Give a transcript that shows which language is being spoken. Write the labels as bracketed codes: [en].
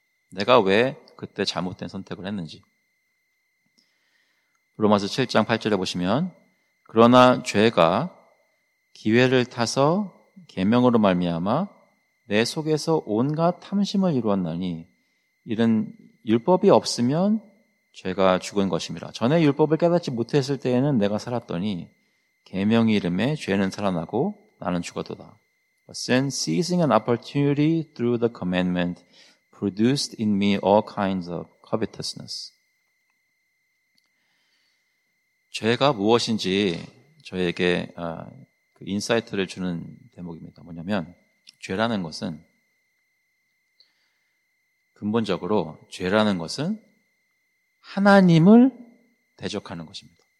[ko] 내가 왜 그때 잘못된 선택을 했는지 로마서 7장 8절에 보시면 그러나 죄가 기회를 타서 계명으로 말미암아 내 속에서 온갖 탐심을 이루었나니 이런 율법이 없으면 죄가 죽은 것임이라. 전에 율법을 깨닫지 못했을 때에는 내가 살았더니 계명이 이름에 죄는 살아나고 나는 죽었도다. [en] But sin seizing an opportunity through the commandment produced in me all kinds of covetousness. [ko] 죄가 무엇인지 저에게 그 인사이트를 주는 대목입니다. 뭐냐면 죄라는 것은 근본적으로 죄라는 것은 하나님을 대적하는 것입니다.